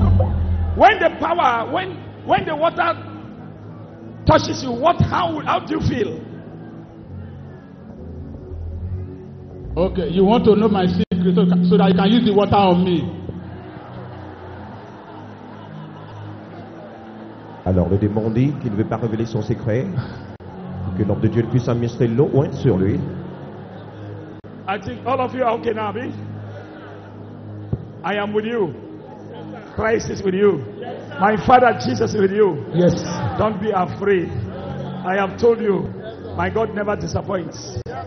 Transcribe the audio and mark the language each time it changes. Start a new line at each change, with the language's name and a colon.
English: When the water touches you, how do you feel? Okay, you want to know my secret so that you can use the water on me.
French: Alors le démon dit qu'il ne veut pas révéler son secret, que l'homme de Dieu puisse administrer l'eau ointe sur lui.
English: I think all of you are okay now, I am with you. Christ is with you. My Father Jesus is with you. Yes. Don't be afraid. I have told you, my God never disappoints.